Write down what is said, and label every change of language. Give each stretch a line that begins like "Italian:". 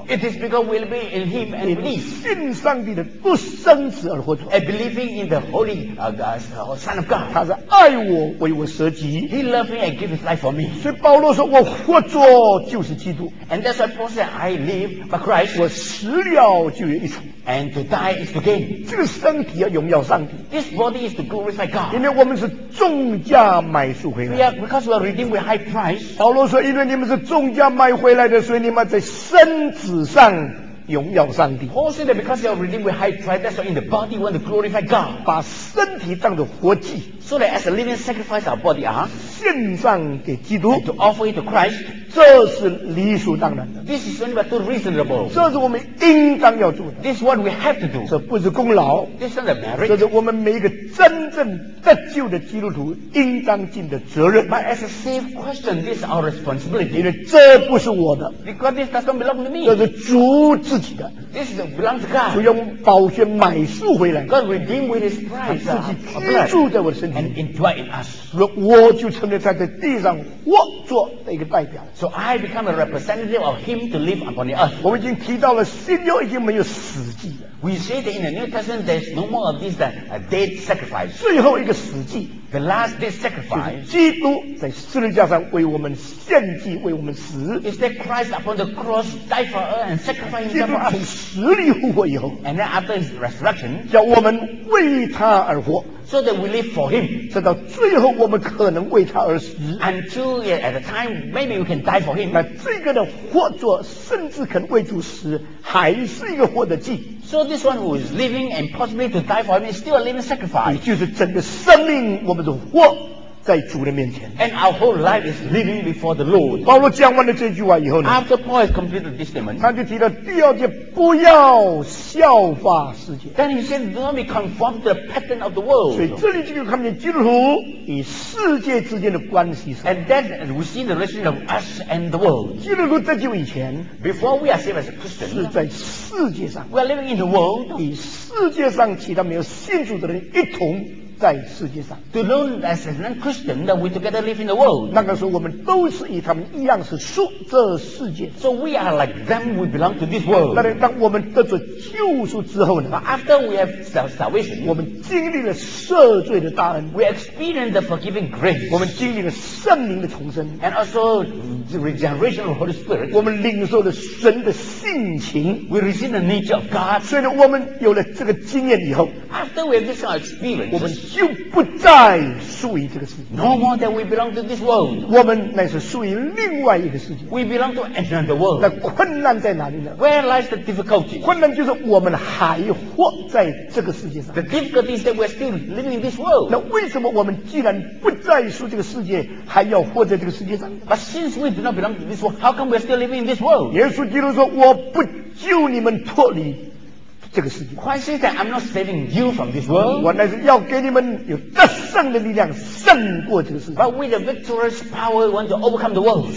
English: ，It is because we live in him and believe。
Chinese: 因信上帝的独生子而活着
English: ，And believing in the holy God。 Son of God.
Chinese: 他是爱我，为我舍己。
English: He loved me and gave his life for me.
Chinese: 所以保罗说，我活着就是基督。
English: And that's why Paul said, I live but Christ.
Chinese: 我死了就有益处。
English: And to die is to gain.
Chinese: 这个身体要荣耀上帝。
English: This body is to glorify God.
Chinese: 因为我们是重价买赎回来。
English: We are because we are redeemed with high price.
Chinese: 保罗说，因为你们是重价买回来的，所以你们在身子上。荣耀上帝。
English: Paul said that because you are redeemed with high price, that's why in the body we want to glorify God.
Chinese: 把身体当作活祭。
English: So that as a living sacrifice, our body,
Chinese: 献上给基督。
English: To offer it to Christ.
Chinese: 这是理所当然的。
English: This is only but too reasonable.
Chinese: 这是我们应当要做的。
English: This is what we have to do.
Chinese: 这不是功劳。
English: This is not a merit.
Chinese: 这是我们每一个真正得救的基督徒应当尽的责任。
English: But as a safe question, this is our responsibility.
Chinese: 因为这不是我的。
English: Because this doesn't belong to me.
Chinese: 这是主自己的
English: This is belongs to God.
Chinese: 就用宝血买赎回来
English: God redeemed with His price.
Chinese: 自己居住在我的身体
English: and indwelt in us.
Chinese: 我就成了他在地上活着的一个代表
English: So I become a representative of Him to live upon the earth.
Chinese: 我们已经提到了新约已经没有死祭了
English: We say that in the New Testament there's no more of this than a dead sacrifice.
Chinese: 最后一个死祭
English: The last dead sacrifice.
Chinese: 基督在十字架上为我们献祭，为我们死
English: Is that Christ upon the cross died for us and sacrificed Himself?
Chinese: 从死里复活以后
English: ，and then after his resurrection，
Chinese: 叫我们为他而活
English: ，so that we live for him，
Chinese: 直到最后我们可能为他而死
English: ，until at the time maybe we can die for him。
Chinese: 那这个的活着，甚至肯为主死，还是一个活的祭。
English: So this one who is living and possibly to die for him is still a living sacrifice。
Chinese: 也就是整个生命，我们都活。在主的面前
English: and our whole life is living before the Lord
Chinese: 保罗讲完了这句话以后呢
English: after Paul has completed this statement
Chinese: 他就提到第二节不要效法世界
English: then he said do not be conformed to the pattern of the world
Chinese: 所以这里就看见基督徒与世界之间的关系
English: and that we see the relationship of us and the world
Chinese: 基督徒得救以前
English: before we are saved as a Christian
Chinese: 是在世界上
English: we are living in the world
Chinese: 与世界上其他没有信主的人一同在世界上
English: to know as a non-Christian that we together live in the world
Chinese: 那个时候我们都是与他们一样是属这世界
English: so we are like them we belong to this world
Chinese: 那当我们得着救赎之后呢
English: but after we have salvation
Chinese: 我们经历了赦罪的大恩
English: we experience the forgiving grace
Chinese: 我们经历了圣灵的重生
English: and also the regeneration of the Holy Spirit
Chinese: 我们领受了神的性情
English: we receive the nature of God
Chinese: 所以呢我们有了这个经验以后
English: after we have this experience
Chinese: 我们就不再属于这个世界。
English: No more that we belong to this world.
Chinese: 我们乃是属于另外一个世界。
English: We belong to another world.
Chinese: 那困难在哪里呢？
English: Where lies the difficulty?
Chinese: 困难就是我们还活在这个世界上。
English: The difficulty is that we're still living in this world.
Chinese: 那为什么我们既然不再属于这个世界，还要活在这个世界上？
English: But since we do not belong to this world, how come we're still living in this world?
Chinese: 耶稣基督说：“我不救你们脱离。” 这个世界
English: Christ says that I'm not saving you from this world.
Chinese: 我乃是要给你们有得胜的力量，胜过这个世界。
English: But with a victorious power, we want to overcome the world.